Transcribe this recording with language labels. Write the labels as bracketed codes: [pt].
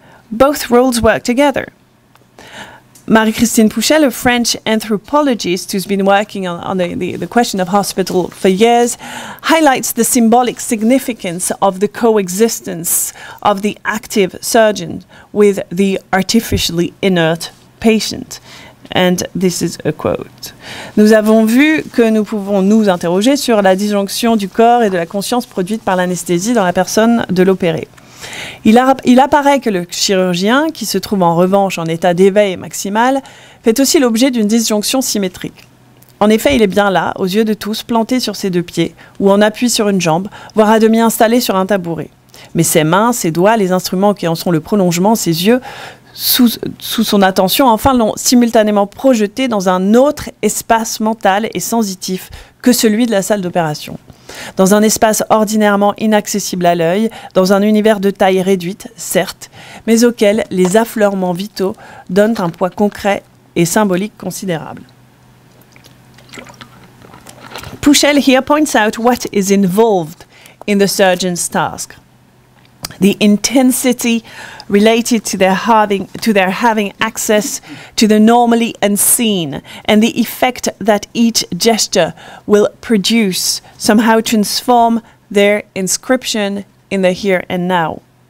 [en] Both roles work together. Marie-Christine Pouchet, a French anthropologist who's been working on the question of hospital for years, highlights the symbolic significance of the coexistence of the active surgeon with the artificially inert patient. And this is a quote. [fr] Nous avons vu que nous pouvons nous interroger sur la disjonction du corps et de la conscience produite par l'anesthésie dans la personne de l'opéré. Il apparaît que le chirurgien, qui se trouve en revanche en état d'éveil maximal, fait aussi l'objet d'une disjonction symétrique. En effet, il est bien là, aux yeux de tous, planté sur ses deux pieds, ou en appui sur une jambe, voire à demi installé sur un tabouret. Mais ses mains, ses doigts, les instruments qui en sont le prolongement, ses yeux, sous son attention, enfin l'ont simultanément projeté dans un autre espace mental et sensitif que celui de la salle d'opération. Dans un espace ordinairement inaccessible à l'œil, dans un univers de taille réduite, certes, mais auquel les affleurements vitaux donnent un poids concret et symbolique considérable. [en] Pouchel here points out what is involved in the surgeon's task. The intensity related to their having access to the normally unseen and the effect that each gesture will produce somehow transform their inscription in the here and now.